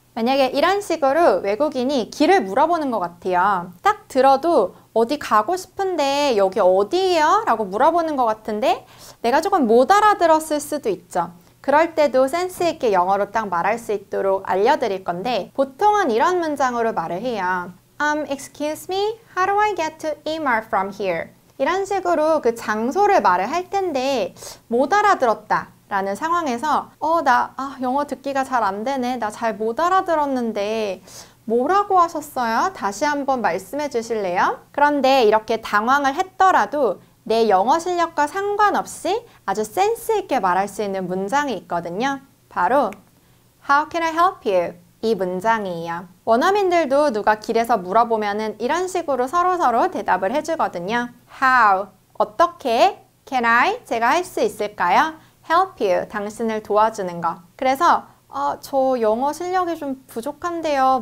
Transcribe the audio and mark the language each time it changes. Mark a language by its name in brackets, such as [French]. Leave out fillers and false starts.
[Korean] 만약에 이런 식으로 외국인이 길을 물어보는 것 같아요. 딱 들어도 어디 가고 싶은데 여기 어디예요? 라고 물어보는 것 같은데 내가 조금 못 알아들었을 수도 있죠. 그럴 때도 센스 있게 영어로 딱 말할 수 있도록 알려드릴 건데 보통은 이런 문장으로 말을 해요. [English] Excuse me, how do I get to Emer from here? [Korean] 이런 식으로 그 장소를 말을 할 텐데 못 알아들었다 라는 상황에서 영어 듣기가 잘안 되네. 나잘못 알아들었는데 뭐라고 하셨어요? 다시 한번 말씀해 주실래요? 그런데 이렇게 당황을 했더라도 내 영어 실력과 상관없이 아주 센스 있게 말할 수 있는 문장이 있거든요. [English] 바로 How can I help you? [Korean] 이 문장이에요. 원어민들도 누가 길에서 물어보면은 이런 식으로 서로서로 대답을 해주거든요. [English] How? [Korean] 어떻게? [English] Can I? [Korean] 제가 할수 있을까요? [English] Help you. [Korean] 당신을 도와주는 거. 그래서 저 영어 실력이 좀 부족한데요.